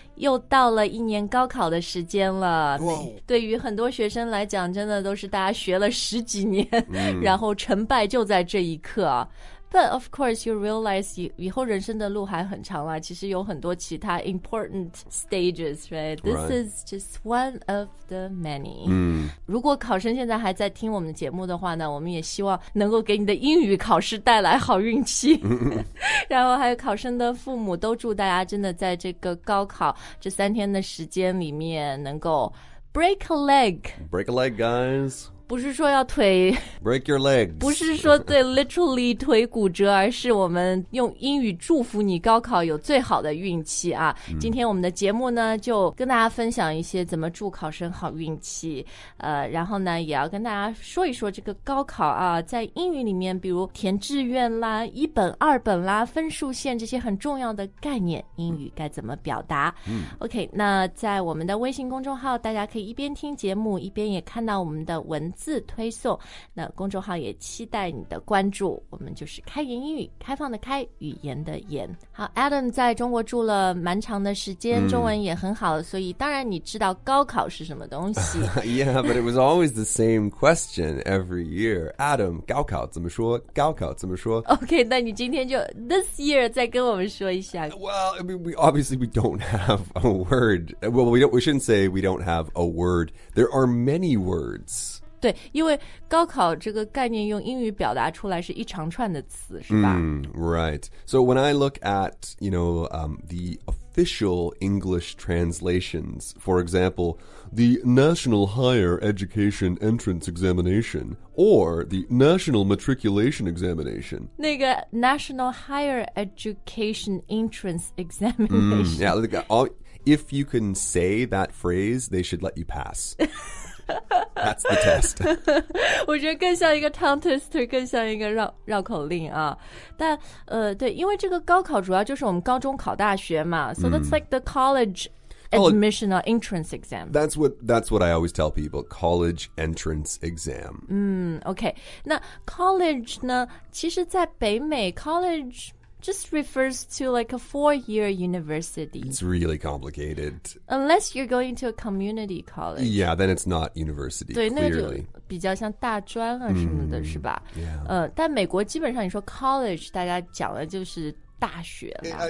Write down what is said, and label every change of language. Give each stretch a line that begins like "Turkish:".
Chinese: 又到了一年高考的时间了。
English: Wow.
Chinese: 对于很多学生来讲，真的都是大家学了十几年，然后成败就在这一刻。
English: But of course, you realize
Chinese: 以后人生的路还很长啊，其实有很多其他
English: important stages, right? This is just one of the many.
Chinese: 如果考生现在还在听我们的节目的话呢，我们也希望能够给你的英语考试带来好运气。然后还有考生的父母都祝大家真的在这个高考这三天的时间里面能够
English: break a leg. Break a leg, guys.
Chinese: 不是说要腿
English: break your legs，
Chinese: 不是说对 literally 腿骨折，而是我们用英语祝福你高考有最好的运气啊！今天我们的节目呢，就跟大家分享一些怎么祝考生好运气，然后呢，也要跟大家说一说这个高考啊，在英语里面，比如填志愿啦、一本、二本啦、分数线这些很重要的概念，英语该怎么表达？ OK， 那在我们的微信公众号，大家可以一边听节目，一边也看到我们的文字推送，那公众号也期待你的关注。我们就是开言英语，开放的开，语言的言。好 ，Adam 在中国住了蛮长的时间，中文也很好，所以当然你知道高考是什么东西。
English: Yeah, but it was always the same question every year.
Chinese: Adam, 高考怎么说？高考怎么说？OK， 那你今天就
English: this year
Chinese: 再跟我们说一下。
English: Well, I mean, we don't have a word. Well, we shouldn't say we don't have a word. There are many words.
Chinese: 对，因为高考这个概念用英语表达出来是一长串的词，是吧？
English: Right. So when I look at, you know, the official English translations, for example, the National Higher Education Entrance Examination or the National Matriculation Examination. 那个 National Higher Education Entrance Examination. Yeah, look, if you can say that phrase, they should let you pass. That's the test.
Chinese: 我觉得更像一个
English: tongue twister，
Chinese: 更像一个 绕口令啊。但对，因为这个高考主要就是我们高中考大学嘛。
English: So that's like the college admission or entrance exam. That's what I always tell people. College entrance exam.
Chinese: Okay. 那 college 呢？其实，在北美 college.
English: Just refers to like a four-year university. It's really complicated. Unless you're going to a community college. Yeah, then it's not university,
Chinese: 对那就比较像大专啊什么的是吧？
English: Yeah.
Chinese: 但美国基本上你说 college, 大家讲的就是大学了。